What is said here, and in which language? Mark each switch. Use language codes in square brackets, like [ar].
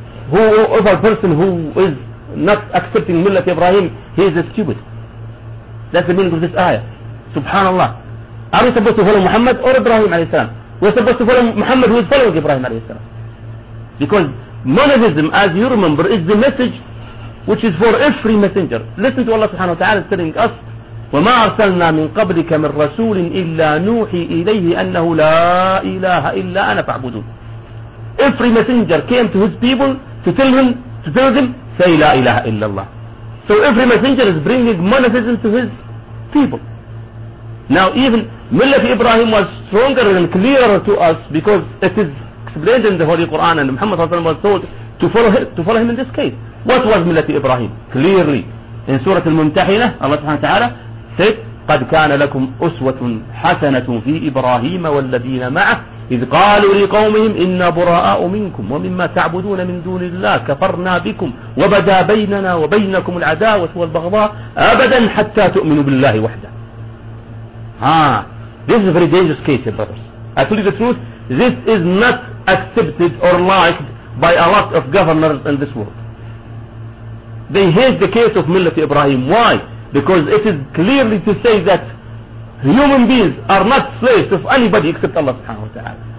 [en] Whoever person who is not accepting Millat Ibrahim, he is a stupid. That's the meaning of this ayah. Subhanallah. Are we supposed to follow Muhammad or Ibrahim alayhi salam? We're supposed to follow Muhammad, who is following Ibrahim alayhi salam. Because monotheism, as you remember, is the message which is for every messenger. Listen to Allah subhanahu wa ta'ala telling us, [ar] وَمَا أَرْسَلْنَا مِنْ قَبْلِكَ مِنْ رَسُولٍ إِلَّا نُوحِي إِلَيْهِ أَنَّهُ لَا إِلَهَ إِلَّا أَنَا فَعْبُدُونَ. [en] Every messenger came to his people to tell them, say [ar] لَا إِلَهَ إِلَّا اللَّهِ. [en] So every messenger is bringing monotheism to his people. Now even Millat Ibrahim was stronger and clearer to us because it is explained in the Holy Quran, and Muhammad was told to follow him in this case. What was Millat Ibrahim? Clearly, in Surah Al-Mumtahinah, Allah subhanahu wa ta'ala said, [ar] قَدْ كَانَ لَكُمْ أُسْوَةٌ حَسَنَةٌ فِي إِبْرَاهِيمَ وَالَّذِينَ مَعَهُ إِذْ قَالُوا لِقَوْمِهِمْ إِنَّا بُرَاءُ مِنْكُمْ وَمِمَّا تَعْبُدُونَ مِنْ دُونِ اللَّهِ كَفَرْنَا بِكُمْ وَبَدَا بَيْنَنَا وَبَيْنَكُمُ الْعَدَاوَةُ وَالْبَغْضَاءُ أَبَدًا حَتَّى تُؤْمِنُوا بِاللَّهِ وَحْدَهُ. [en] Ah, this is a very dangerous case, brothers. I tell you the truth, this is not accepted or liked by a lot of governors in this world. They hate the case of Millat Ibrahim. Why? Because it is clearly to say that human beings are not slaves of anybody except Allah subhanahu wa ta'ala.